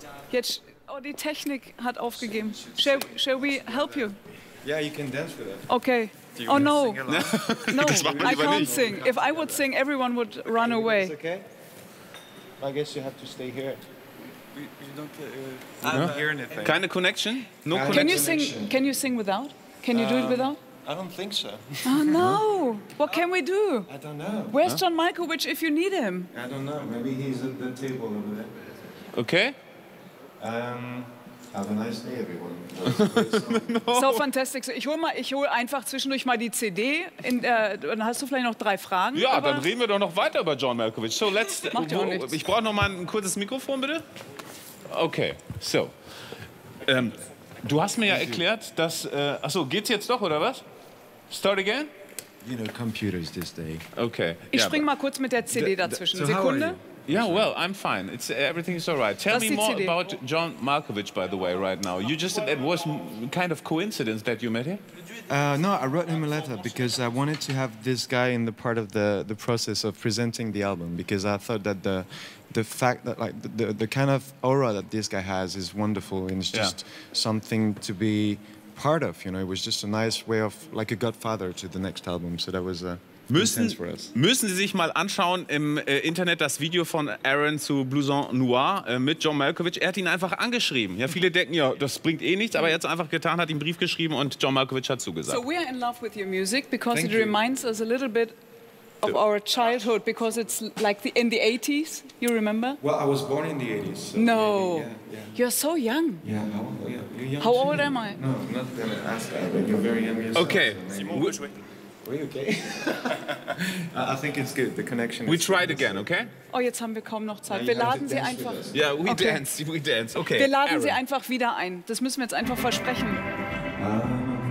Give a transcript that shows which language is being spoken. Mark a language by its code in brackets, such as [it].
[de] Jetzt, oh, die Technik hat aufgegeben. [en] Shall we help you? Yeah, you can dance with it. Okay. Oh no. No, I can't sing. If I would sing, everyone would run away. Okay. I guess you have to stay here. You don't hear anything. [de] Keine Connection? [en] No connection. Can you sing without? Can you do it without? I don't think so. Oh no. What can we do? I don't know. Where's John Malkovich if you need him? I don't know. Maybe he's at the table over there. Okay. Have a nice day, everyone. No. So fantastic. [de] Ich hol einfach zwischendurch mal die CD. Dann hast du vielleicht noch drei Fragen. Ja, dann reden wir doch noch weiter über John Malkovich. So, ich brauche noch mal ein kurzes Mikrofon, bitte. Okay, so. Du hast mir ja erklärt, dass... geht's jetzt doch, oder was? [en] Start again? You know, computers this day. Okay. [de] Ich spring mal kurz mit der CD dazwischen. So Sekunde. [en] Yeah, well, I'm fine. It's everything is all right. Tell me more about John Malkovich, by the way, right now. You just said it was kind of coincidence that you met him. No, I wrote him a letter because I wanted to have this guy in the part of the process of presenting the album, because I thought that the fact that, like, the kind of aura that this guy has is wonderful, and it's just something to be part of. You know, it was just a nice way of, like, a godfather to the next album. So that was a. [de] Müssen Sie sich mal anschauen im Internet das Video von Aaron zu Blouson Noir mit John Malkovich. Er hat ihn einfach angeschrieben. Ja, viele denken ja, das bringt eh nichts, aber er hat es einfach getan, hat ihm einen Brief geschrieben und John Malkovich hat zugesagt. [en] So, we are in love with your music because it reminds us a little bit of our childhood, because it's like in the 80s, you remember? Well, I was born in the 80s. So no. You're so young. Yeah, how old are you? How old am I? No, I'm not going to ask that, but you're very young. Okay. Yourself, so Are you okay? I think it's good, the connection. We try it again, okay? [de] Oh, jetzt haben wir kaum noch Zeit. Wir laden Sie einfach. [en] Yeah, we dance, okay. [de] Wir laden Aaron. Sie einfach wieder ein. Das müssen wir jetzt einfach versprechen.